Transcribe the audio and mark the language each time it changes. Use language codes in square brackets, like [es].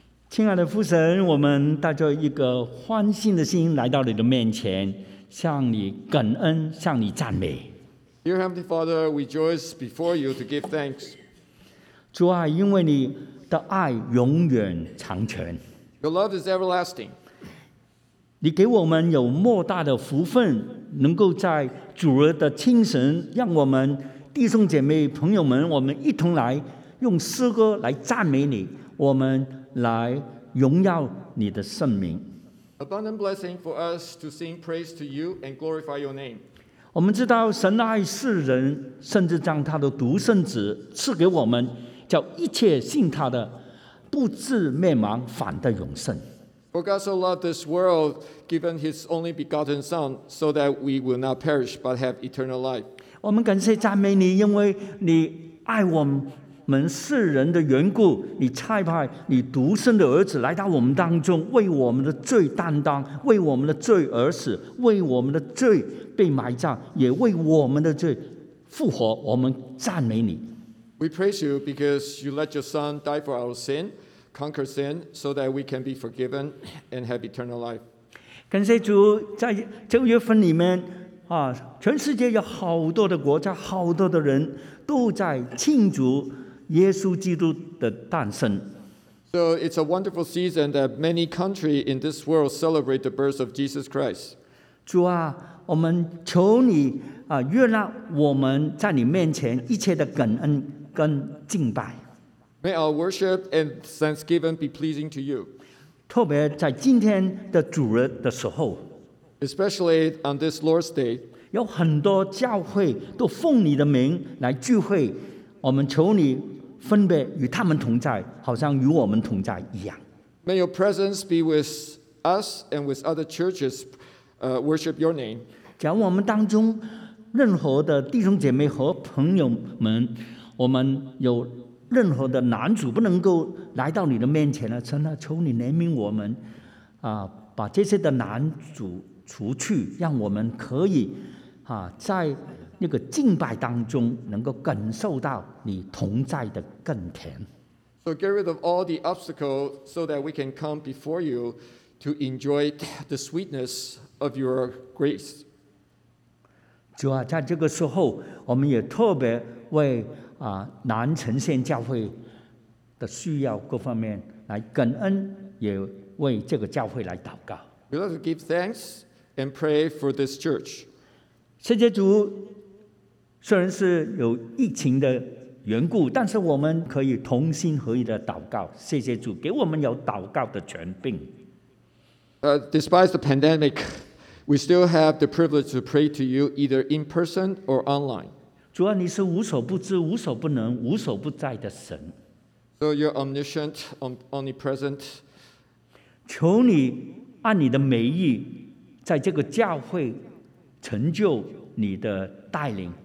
[zh] 亲爱的父神，我们带着一个欢欣的心来到你的面前，向你感恩，向你赞美。 [en] Dear Heavenly Father, we rejoice before you to give thanks. [zh] 主啊，因为你的爱永远长存。 [en] Your love is everlasting. [zh] 你给我们有莫大的福分，能够在主日的清晨，让我们弟兄姐妹朋友们，我们一同来用诗歌来赞美你，我们来荣耀你的圣名。 [en] Abundant blessing for us to sing praise to you and glorify your name. [zh] 我们知道神爱世人，甚至将他的独生子赐给我们，叫一切信他的不至灭亡，反得永生。 [en] For God so loved this world, given his only begotten Son, so that we will not perish but have eternal life. [zh] 我们感谢赞美你，因为你爱我们。我们世人的缘故，你差派你独生的儿子来到我们当中，为我们的罪担当，为我们的罪而死，为我们的罪被埋葬，也为我们的罪复活。我们赞美你。 [en] We praise you because you let your Son die for our sin, conquer sin, so that we can be forgiven and have eternal life. [zh] 感谢主，在这个月份里面啊，全世界有好多的国家，好多的人都在庆祝耶稣基督的诞生。 [en] So it's a wonderful season that many countries in this world celebrate the birth of Jesus Christ. [zh] 主啊，我们求你啊，悦纳我们在你面前一切的感恩跟敬拜。 [en] May our worship and thanksgiving be pleasing to you. [zh] 特别在今天的主日的时候 [en] ，especially on this Lord's Day， [zh] 有很多教会都奉你的名来聚会。我们求你分别与他们同在，好像与我们同在一样。 [en] May your presence be with us and with other churches, worship your name. [zh] 假如我们当中任何的弟兄姐妹和朋友们，我们有任何的难处不能够来到你的面前了，神啊，求你怜悯我们，把这些的难处除去，让我们可以，在那个敬拜当中能够感受到你同在的更甜。 [en] So get rid of all the obstacles so that we can come before you to enjoy the sweetness of your grace. [zh] 主啊，在这个时候我们也特别为南城县教会的需要各方面来感恩，也为这个教会来祷告。 [en] We love to give thanks and pray for this church. [zh] 谢谢主，虽然是有疫情的缘故，但是我们可以同心合意的祷告。谢谢主给我们有祷告的权柄。 [en] Despite the pandemic, we still have the privilege to pray to you either in person or online. [zh] 主啊，你是无所不知、无所不能、无所不在的神。 [en] So you're omniscient, omnipresent. [zh] 求你按你的美意，在这个教会成就你的带领。